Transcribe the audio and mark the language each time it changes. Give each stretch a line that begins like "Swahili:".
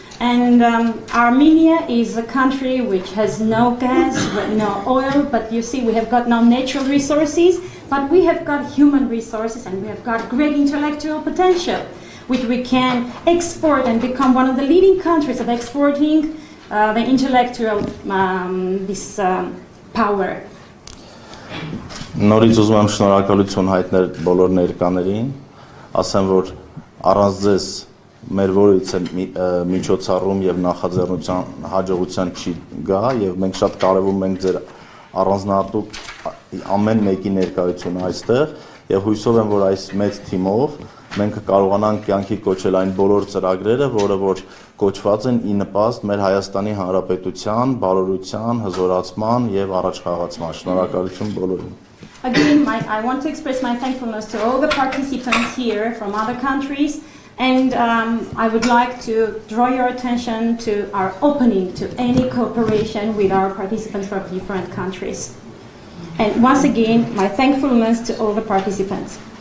English: And Armenia is a country which has no gas, no oil, but you see we have got no natural resources, but we have got human resources and we have got great intellectual potential. which we can export and become one of the leading countries of exporting the intellectual this power.
Armenian: Նորից ուզում եմ շնորհակալություն հայտնել բոլոր ներկաներին, ասեմ, որ առանց ձեզ մեր ողորմից միջոցառում եւ նախաձեռնության հաջողության չի գա եւ մենք շատ կարևում ենք ձեր առանձնահատուկ ամեն մեկի ներկայությունը այստեղ եւ հույսով եմ, որ այս մեծ թիմով մենք կարողանանք կյանքի կոչել այն բոլոր ծրագրերը, որը որ կոչված են ի նպաստ մեր Հայաստանի Հանրապետության բարօրության, հզորացման եւ առաջխաղացման։ Շնորհակալություն բոլորին։
English: Again, I want to express my thankfulness to all the participants here from other countries, and I would like to draw your attention to our opening to any cooperation with our participants from different countries. And once again, my thankfulness to all the participants.